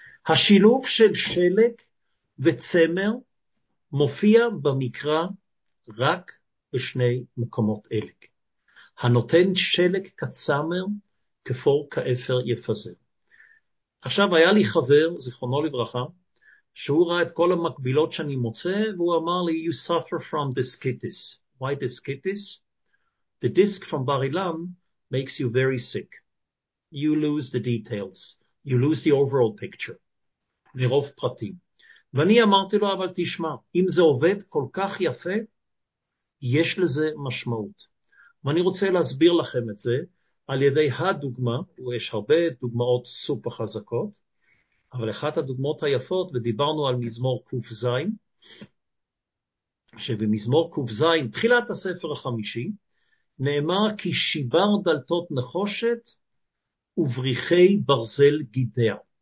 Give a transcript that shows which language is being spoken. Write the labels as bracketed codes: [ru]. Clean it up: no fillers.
[he] השילוב של שלג וצמר מופיע במקרא רק בשני מקומות אלה. הנותן שלג כצמר, כפור כאפר יפזר. עכשיו היה לי חבר, זיכרונו לברכה, שהוא ראה את כל המקבילות שאני מוצא, והוא אמר לי, [en] you suffer from discitis. Why discitis? The disc from Bar Ilan makes you very sick. You lose the details. You lose the overall picture. [he] מרוב פרטים. ואני אמרתי לו, אבל תשמע, אם זה עובד כל כך יפה, יש לזה משמעות. ואני רוצה להסביר לכם את זה, על ידי הדוגמה, ויש הרבה דוגמאות סופר חזקות, אבל אחת הדוגמאות היפות, ודיברנו על מזמור קוף זין, שבמזמור קוף זין, תחילת הספר החמישי, נאמר כי שיבר דלתות נחושת, ובריחי ברזל גידע.